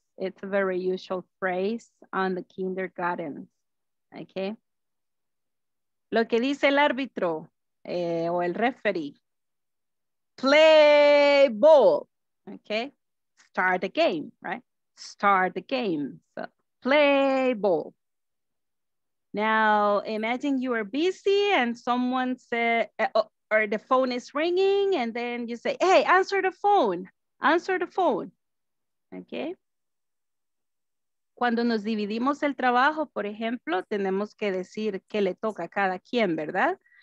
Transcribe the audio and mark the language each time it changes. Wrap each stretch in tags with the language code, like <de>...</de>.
<en>It's a very usual phrase on the kindergarten. Okay.</en> <es>Lo que dice el árbitro o el referee.</es> <en>Play ball, okay? Start the game, right? Start the game, so play ball. Now, imagine you are busy and someone said, or the phone is ringing and then you say, hey, answer the phone, okay?</en> <es>Cuando nos dividimos el trabajo, por ejemplo, tenemos que decir qué le toca a cada quien, ¿verdad?</es>